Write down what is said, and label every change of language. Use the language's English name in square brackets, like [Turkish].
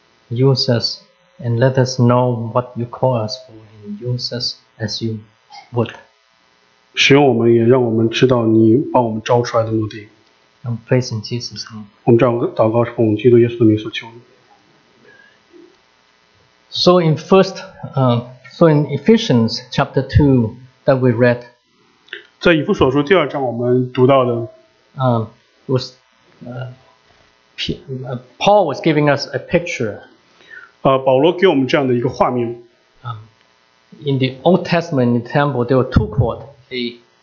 [English] Use us and let us know what you call us for. Use us as you would. [Chinese] 使用我们，也让我们知道你把我们招出来的目的。 [English] I'm praising Jesus. [Chinese] 我们这样祷告，是奉基督耶稣的名所求的。 [English] So in first, so in Ephesians chapter 2 that we read. [Chinese] 在以弗所书第二章我们读到的。 [English] Paul was giving us a picture. [Chinese] 保罗给我们这样的一个画面。 [English] In the Old Testament, in the temple, there were two courts, a